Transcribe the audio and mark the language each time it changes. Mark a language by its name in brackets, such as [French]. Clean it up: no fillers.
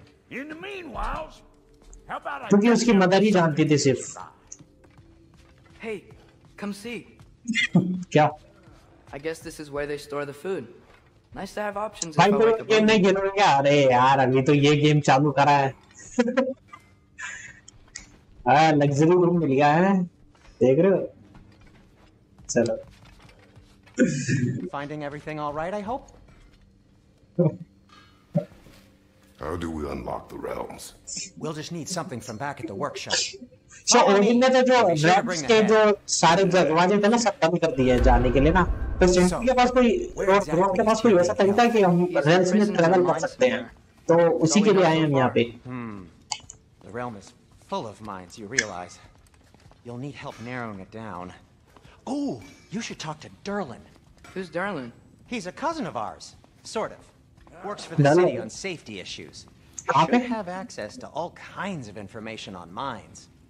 [Hindi] क्योंकि उसकी मदर ही जानती थी सिर्फ। [English] Hey, come see. [Hindi] क्या? [English] I guess this is where they store the food. Nice to have options. [Hindi] भाई तो ये गेम नहीं खेलोगे क्या? अरे यार अभी तो ये गेम चालू करा है। हाँ लग्जरी रूम मिल गया है, देख रहे हो? चलो। [English] Finding everything all right, I hope. How do we unlock the realms? We'll just need something from back at the workshop. [Hindi] So, Odin ने तो जो रैप्स के जो सारे दरवाजे थे ना सब बंद कर दिए जाने के लिए ना, तो सेंट्री के पास कोई और ड्रॉप के पास कोई वैसा तरीका कि हम रेल्स में ट्रेवल कर सकते हैं, तो उसी के लिए आए हम यहाँ पे। [English] The realm is full of mines, you realize. You'll need help narrowing it down. Oh, you should talk to Derlin. Who's Derlin? He's a cousin of ours, sort of. Works for the city on safety issues. [Hindi] कहाँ पे? [English] Should have access to all kinds of information on mines.